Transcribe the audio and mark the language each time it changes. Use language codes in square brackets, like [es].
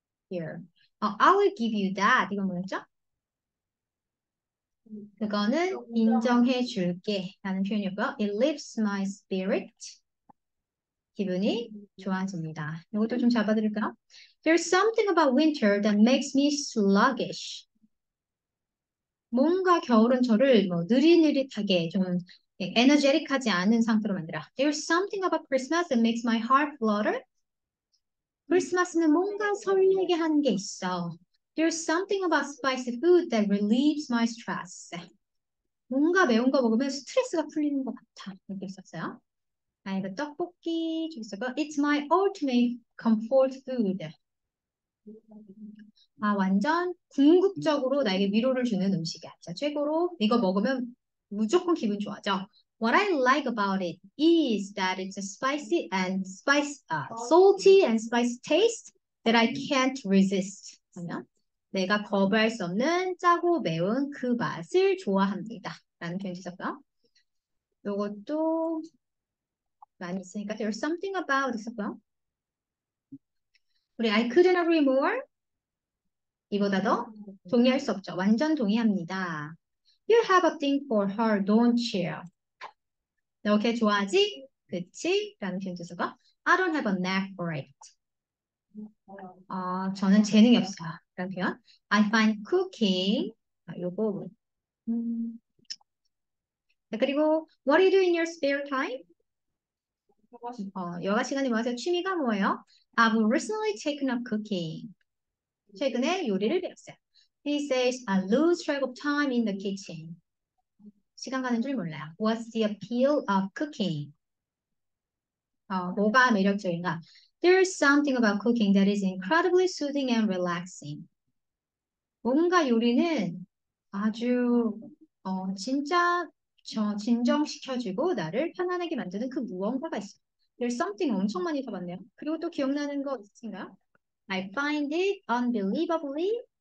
[en] Here. I will give you that. [ko] 이건 뭐였죠? 그거는 인정해 줄게라는 표현이었고요. [en] It lifts my spirit. [ko] 기분이 좋아집니다. 이것도 좀 잡아드릴까요? [en] There's something about winter that makes me sluggish. [ko] 뭔가 겨울은 저를 뭐 느릿느릿하게 좀 에너제틱하지 않은 상태로 만들어. [en] There's something about Christmas that makes my heart flutter. [ko] 크리스마스는 뭔가 설레게 하는 게 있어. [en] There's something about spicy food that relieves my stress. [ko] 뭔가 매운 거 먹으면 스트레스가 풀리는 것 같아. 이렇게 썼어요. 아, 이거 떡볶이 주겠어요. [en] It's my ultimate comfort food. [ko] 완전 궁극적으로 나에게 위로를 주는 음식이야. 자, 최고로 이거 먹으면 무조건 기분 좋아져. [en] What I like about it is that it's a spicy and spice, salty and spicy taste that I can't resist. [ko] 그러면 내가 거부할 수 없는 짜고 매운 그 맛을 좋아합니다. 라는 표현 주셨고요. 이것도 많이 있으니까 [en] there's something about [ko] 있었고요. 우리 [en] I couldn't agree more. [ko] 이보다 더 동의할 수 없죠. 완전 동의합니다. [en] You have a thing for her, don't you? [ko] 너걔 좋아하지? 그치? 라는 표현 주셨고. [en] I don't have a knack for it. [ko] 저는 재능이 없어요. 그런 표현. [en] I find cooking. [ko] 요거. 자, 그리고 [en] What do you do in your spare time? [ko] 여가 시간에 뭐 하세요? 취미가 뭐예요? [en] I've recently taken up cooking. [ko] 최근에 요리를 배웠어요. [en] He says, I lose track of time in the kitchen. [ko] 시간 가는 줄 몰라요. [en] What's the appeal of cooking? [ko] 뭐가 매력적인가? [en] There's something about cooking that is incredibly soothing and relaxing. [ko] 뭔가 요리는 아주 진짜 저 진정시켜주고 나를 편안하게 만드는 그 무언가가 있어. [en] There's something [ko] 엄청 많이 써봤네요. 그리고 또 기억나는 거 있으신가요? [en] I find it unbelievably.